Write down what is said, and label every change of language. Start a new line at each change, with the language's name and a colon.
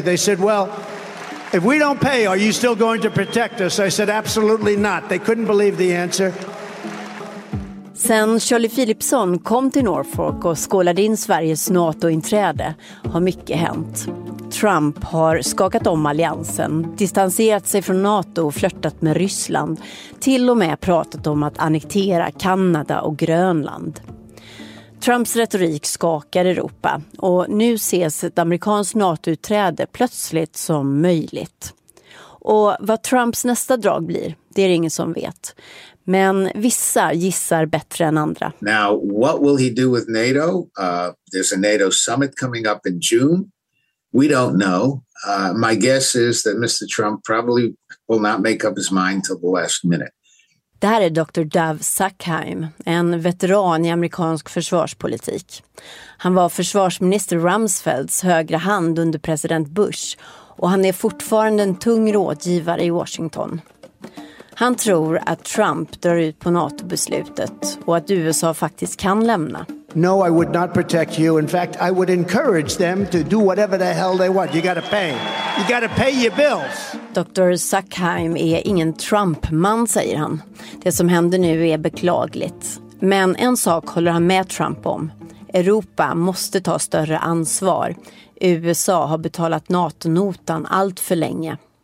English: They said, well, if we don't pay, are you still going to protect us? I said, absolutely not. They couldn't believe the answer.
Swedish: Sen Charlie Philipson kom till Norfolk och skålade in Sveriges NATO-inträde har mycket hänt. Trump har skakat om alliansen, distanserat sig från NATO och flörtat med Ryssland. Till och med pratat om att annektera Kanada och Grönland. Trumps retorik skakar Europa och nu ses ett amerikanskt NATO-utträde plötsligt som möjligt. Och vad Trumps nästa drag blir, det är ingen som vet. Men vissa gissar bättre än andra.
English: Now, what will he do with NATO? There's a NATO summit coming up in June. We don't know. My guess is that Mr. Trump probably will not make up his mind till the last minute.
Swedish: Det här är Dr. Dove Sackheim, en veteran i amerikansk försvarspolitik. Han var försvarsminister Rumsfelds högra hand under president Bush och han är fortfarande en tung rådgivare i Washington. Han tror att Trump drar ut på NATO-beslutet och att USA faktiskt kan lämna.
English: No, I would not protect you. In fact, I would encourage them to do whatever the hell they want. You gotta pay. You gotta pay your bills.
Swedish: Dr. Sackheim är ingen Trump-man, säger han. Det som händer nu är beklagligt. Men en sak håller han med Trump om. Europa måste ta större ansvar. USA har betalat NATO-notan allt för länge.